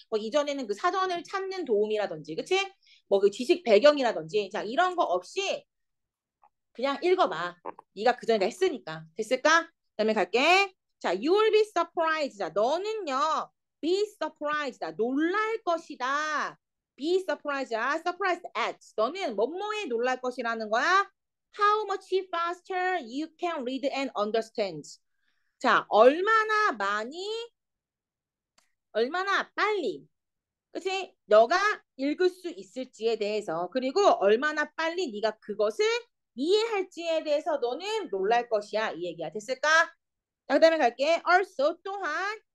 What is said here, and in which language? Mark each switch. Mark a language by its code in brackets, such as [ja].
[ko] 뭐 이전에는 그 사전을 찾는 도움이라든지, 그치? 뭐그 지식 배경이라든지, 자, 이런 거 없이 그냥 읽어봐. 네가 그전에 했으니까. 됐을까? 그다음에 갈게. 자, [en] you will be surprised. [ko] 자, 너는요, [en] be surprised. [ko] 자, 놀랄 것이다. be surprised. [en] 아, surprised at. [ko] 너는 뭐뭐에 놀랄 것이라는 거야? [en] How much faster you can read and understand? [ko] 자, 얼마나 많이, 얼마나 빨리, 그치? 너가 읽을 수 있을지에 대해서, 그리고 얼마나 빨리 네가 그것을 이해할지에 대해서 너는 놀랄 것이야, 이 얘기야. 됐을까? 자, 그다음에 갈게. Also, 또한,